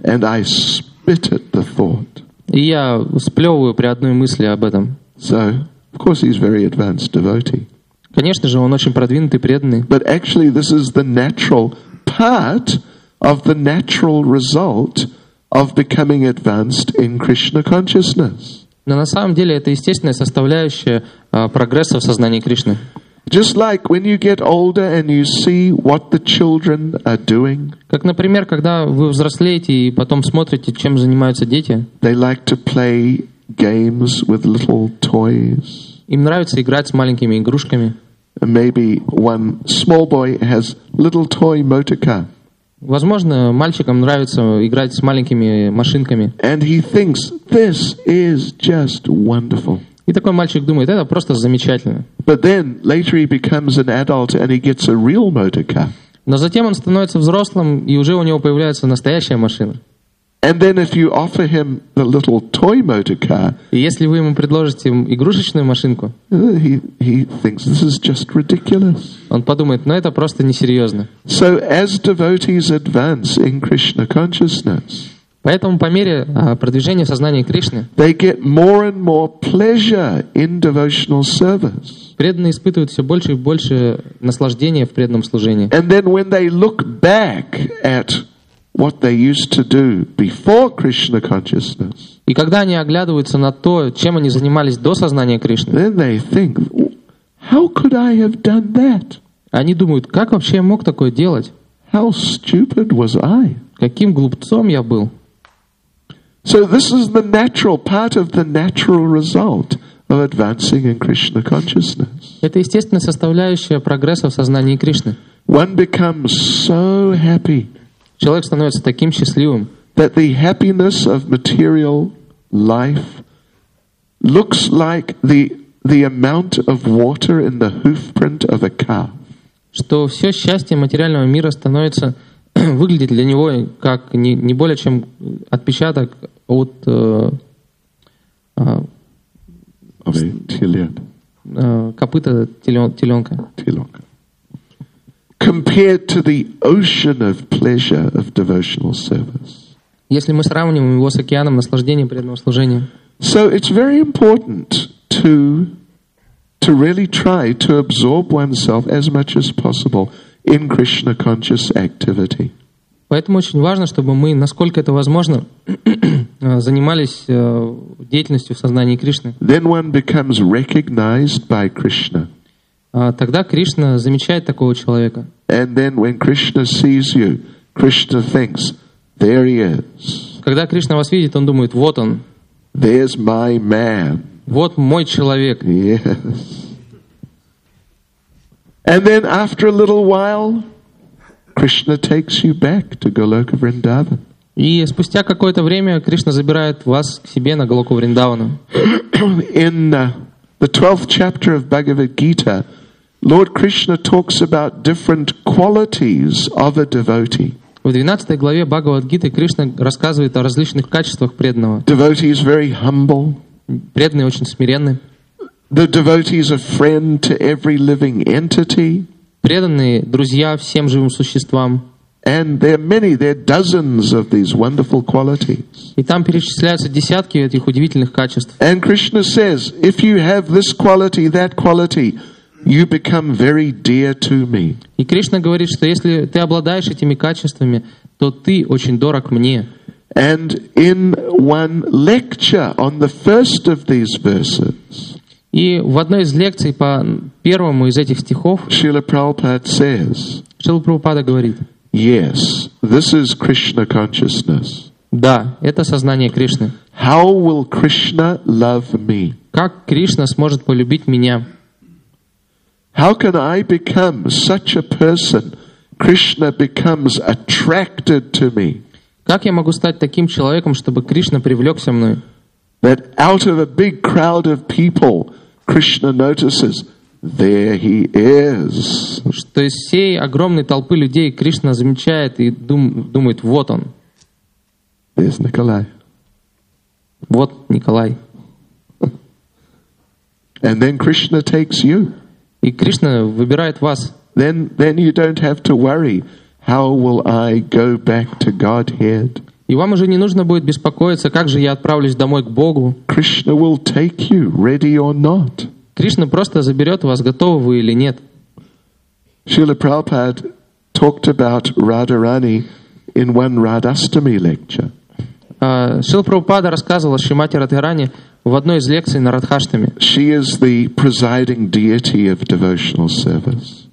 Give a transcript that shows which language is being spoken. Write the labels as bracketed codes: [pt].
[en] And I spit at the thought. [ru] И я сплевываю при одной мысли об этом. [en] So, of course, he's very advanced devotee. [ru] Конечно же, он очень продвинутый, преданный. [en] But actually, this is the natural part of the natural result of becoming advanced in Krishna consciousness. [ru] Но на самом деле это естественная составляющая прогресса в сознании Кришны. [en] Just like when you get older and you see what the children are doing. [ru] Как, например, когда вы взрослеете и потом смотрите, чем занимаются дети. [en] They like to play games with little toys. [ru] Им нравится играть с маленькими игрушками. [en] Maybe one small boy has little toy motor car. [ru] Возможно, мальчикам нравится играть с маленькими машинками. [en] And he thinks this is just wonderful. [ru] И такой мальчик думает, это просто замечательно. [en] But then, later he becomes an adult and he gets a real motor car. [ru] Но затем он становится взрослым, и уже у него появляется настоящая машина. [en] And then if you offer him the little toy motor car, [ru] и если вы ему предложите игрушечную машинку, [en] he thinks this is just ridiculous. [ru] Он подумает, ну это просто несерьезно. [en] So as devotees advance in Krishna consciousness, [ru] поэтому по мере продвижения в сознании Кришны [en] they get more and more pleasure in devotional service. [ru] Преданные испытывают все больше и больше наслаждения в преданном служении. [en] And then when they look back at what they used to do before Krishna consciousness, [ru] и когда они оглядываются на то, чем они занимались до сознания Кришны, [en] then they think, how could I have done that? [ru] Они думают, как вообще я мог такое делать? [en] How stupid was I? [ru] Каким глупцом я был? [en] So this is the natural part of the natural result of advancing in Krishna consciousness. [ru] Это естественная составляющая прогресса в сознании Кришны. [en] One becomes so happy. [ru] Человек становится таким счастливым. [en] That the happiness of material life looks like the amount of water in the hoof print of a calf. [ru] Что все счастье материального мира становится выглядит для него как не более чем отпечаток от копыта теленка. [en] Compared to the ocean of pleasure of devotional service. [ru] Если мы сравним его с океаном наслаждения преданного служения. [en] So it's very important to really try to absorb oneself as much as possible in Krishna conscious activity. [ru] Поэтому очень важно, чтобы мы, насколько это возможно, занимались деятельностью в сознании Кришны. [en] Then one becomes recognized by Krishna. [ru] Тогда Кришна замечает такого человека. [en] And then when Krishna sees you, Krishna thinks, there he is. [ru] Когда Кришна вас видит, он думает, вот он. [en] There's my man. [ru] Вот мой человек. [en] Yes. And then after a little while, Krishna takes you back to Goloka Vrindavan. [ru] И спустя какое-то время Кришна забирает вас к себе на Голоку Вриндавану. [en] In the 12th chapter of Bhagavad Gita, Lord Krishna talks about different qualities of a devotee. [ru] В 12 главе Бхагавад Гиты Кришна рассказывает о различных качествах преданного. [en] Devotee is very humble. [ru] Преданный очень смиренный. [en] The devotee is a friend to every living entity. [ru] Преданные друзья всем живым существам. [en] And there are many, there are dozens of these wonderful qualities. [ru] И там перечисляются десятки этих удивительных качеств. [en] And Krishna says, if you have this quality, that quality, you become very dear to me. [ru] И Кришна говорит, что если ты обладаешь этими качествами, то ты очень дорог мне. [en] And in one lecture on the first of these verses, [ru] и в одной из лекций по первому из этих стихов Шрила Прабхупада говорит: [en] "Yes, this is Krishna consciousness." [ru] Да, это сознание Кришны. [en] How will Krishna love me? [ru] Как Кришна сможет полюбить меня? [en] How can I become such a person? Krishna becomes attracted to me. [ru] Как я могу стать таким человеком, чтобы Кришна привлекся мной? [en] That out of a big crowd of people, Krishna notices, there he is. [ru] Что из всей огромной толпы людей Кришна замечает и думает, вот он. [en] There's Николай. [ru] Вот Николай. [en] And then Krishna takes you. [ru] И Кришна выбирает вас. [en] Then you don't have to worry, how will I go back to Godhead? [ru] И вам уже не нужно будет беспокоиться, как же я отправлюсь домой к Богу. [en] Krishna will take you, ready or not. [ru] Кришна просто заберет вас, готовы вы или нет. [en] Srila Prabhupada talked about Radharani in one Radhastami lecture. [ru] Srila Prabhupada рассказывал о Шримати Радхарани в одной из лекций на Радхаштами. [en] She is the presiding deity of devotional service.